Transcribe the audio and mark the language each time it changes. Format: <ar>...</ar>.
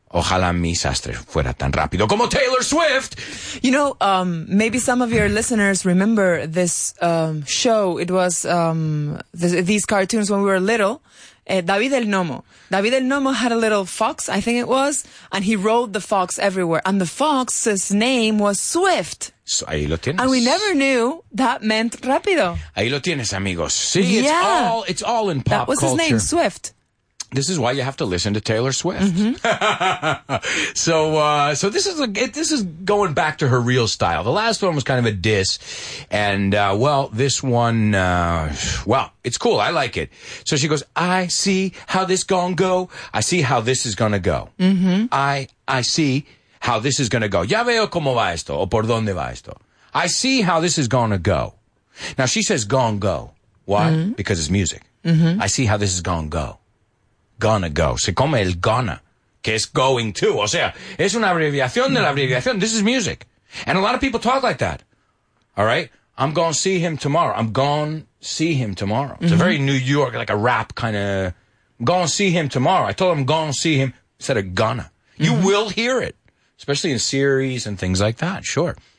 <es>Ojalá mi sastre fuera tan rápido como Taylor Swift.</es> <en>You know, maybe some of your listeners remember this show. It was these cartoons when we were little. David el Nomo. David el Nomo had a little fox, I think it was, and he rode the fox everywhere. And the fox's name was Swift.</en> <es>So, ahí lo tienes.</es> <en>And we never knew that meant rápido.</en> <es>Ahí lo tienes, amigos. See,</es> <en>yeah. it's all in pop culture. That was his name, Swift. This is why you have to listen to Taylor Swift. Mm-hmm. So this is going back to her real style. The last one was kind of a diss. And, this one, it's cool. I like it. So she goes, I see how this gonna go. I see how this is gonna go. Mm-hmm. I see how this is gonna go.</en> <es>Ya veo cómo va esto o por dónde va esto.</es> <en>I see how this is gonna go. Now she says gonna go. Why? Mm-hmm. Because it's music. Mm-hmm. I see how this is gonna go. Gonna go. Se come el gonna, que es going to.</en> <es>O sea, es una abreviación de la abreviación.</es> <en>This is music. And a lot of people talk like that. All right? I'm going to see him tomorrow. I'm going to see him tomorrow. Mm-hmm. It's a very New York, like a rap kind of, I'm going to see him tomorrow. I told him I'm going to see him instead of gonna. Mm-hmm. You will hear it, especially in series and things like that. Sure.</en>